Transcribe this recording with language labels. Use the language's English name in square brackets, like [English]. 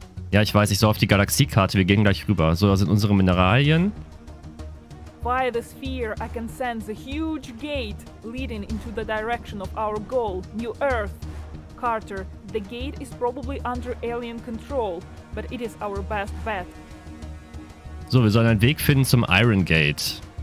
[German] Ja, ich weiß, ich soll auf die Galaxiekarte, wir gehen gleich rüber. So, da sind unsere Mineralien. [English] By the sphere, I can sense a huge gate leading into the direction of our goal, New Earth. Carter, the gate is probably under alien control, but it is our best bet. [German] So, wir sollen einen Weg finden zum Iron Gate.